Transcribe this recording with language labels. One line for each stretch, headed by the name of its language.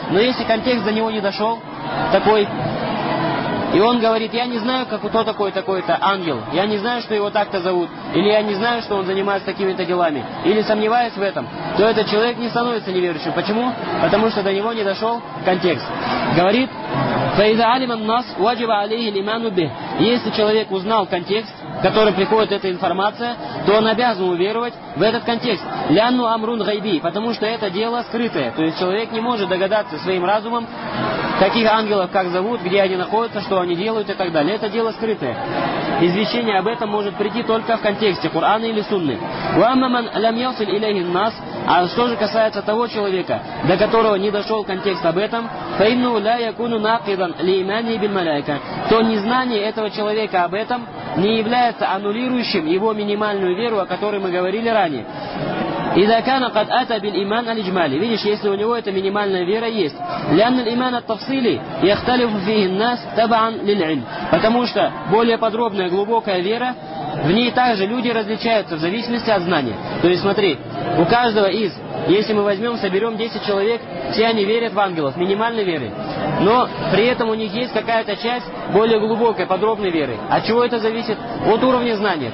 Russian: Но если контекст до него не дошел, такой... И он говорит, я не знаю, как кто такой-то ангел. Я не знаю, что его так-то зовут. Или я не знаю, что он занимается такими-то делами. Или сомневаюсь в этом. То этот человек не становится неверующим. Почему? Потому что до него не дошел контекст. Говорит,
Arabic: فَإِذَا عَلِمَ النَّاسُ وَجِبَ عَلَيْهِ الْإِمَانُ بِهِ.
Russian: Если человек узнал контекст, в который приходит эта информация, то он обязан уверовать в этот контекст.
Arabic: لَأَنُّ أَمْرٌ غَيْبِي.
Russian: Потому что это дело скрытое. То есть человек не может догадаться своим разумом, каких ангелов как зовут, где они находятся, что они делают и так далее. Это дело скрытое. Извещение об этом может прийти только в контексте Корана или Сунны.
Arabic: Уаммаман лям йасиль илейхи ан-нас.
Russian: А что же касается того человека, до которого не дошел контекст об этом,
Arabic: фаинну ля якуну накидан ли имани биль малайка,
Russian: то незнание этого человека об этом не является аннулирующим его минимальную веру, о которой мы говорили ранее.
Arabic: إذا كان قد أتى بالإيمان الإجمالي.
Russian: Видишь, если у него эта минимальная вера есть.
Arabic: لأن الإيمان التفصيلي يختلف فيه الناس تبعا للعلم.
Russian: Потому что более подробная, глубокая вера, в ней также люди различаются в зависимости от знания. То есть смотри, у каждого из, если мы возьмем, соберем 10 человек, все они верят в ангелов, минимальной верой. Но при этом у них есть какая-то часть более глубокой, подробной веры. От чего это зависит? От уровня знания.